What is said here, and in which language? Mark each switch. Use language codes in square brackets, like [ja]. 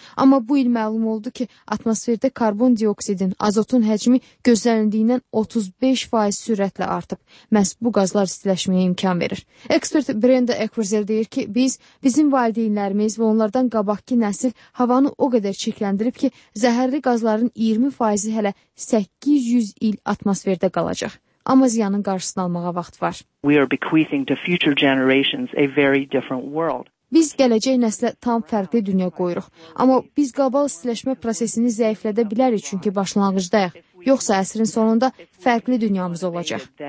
[az] Amma bu il məlum oldu ki, atmosferdə karbon dioksidin, azotun həcmi gözləndiyindən 35% sürətlə artıb. Məhz bu qazlar istiləşməyə imkan verir. Ekspert Brenda Ekwerzel deyir ki, bizim valideynlərimiz və onlardan qabaqki nəsil havanı o qədər çirkləndirib ki, zəhərli qazların 20% hələ 800 il atmosferdə qalacaq. Amma ziyanın qarşısını almağa vaxt var. [en] We are bequeathing to future generations a very different world. [az] Biz gələcək nəslə tam fərqli dünya qoyuruq. Amma biz qlobal istiləşmə prosesini zəiflədə bilərik çünki başlanğıcdayıq. Yoxsa əsrin sonunda fərqli dünyamız olacaq.